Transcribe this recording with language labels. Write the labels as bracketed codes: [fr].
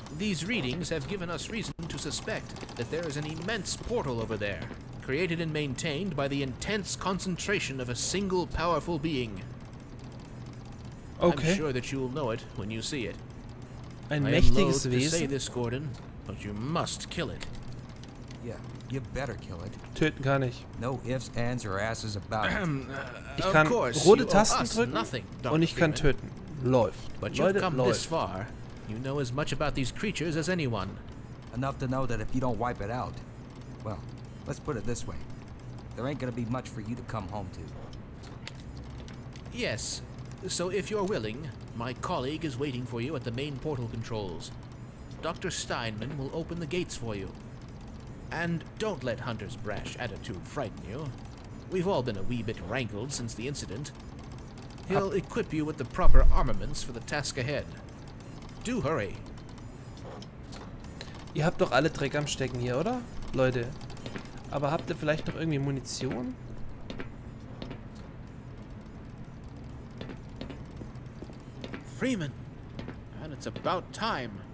[en] these readings have given us reason to to suspect that there is an immense portal over there, created and maintained by the intense concentration of a single powerful being. Okay. I'm sure that you will know it when you see it. [de] Ein mächtiges Wesen? [en] I am loath to say this, Gordon, but you must kill it. Yeah, you better kill it. [de] Töten kann ich. [en] No ifs, ands or asses about it. [de] Ich kann rote Tasten drücken und ich kann töten. Läuft. [en] But you've come this far. You know as much about these creatures as anyone. Enough to know that if you don't wipe it out, well, let's put it this way. There ain't gonna be much for you to come home to. Yes. So if you're willing, my colleague is waiting for you at the main portal controls. Dr. Steinman will open the gates for you. And don't let Hunter's brash attitude frighten you. We've all been a wee bit rankled since the incident. He'll equip you with the proper armaments for the task ahead. Do hurry. [de] Ihr habt doch alle Dreck am Stecken hier, oder? Leute. Aber habt ihr vielleicht noch irgendwie Munition? [en] Freeman! And it's about time.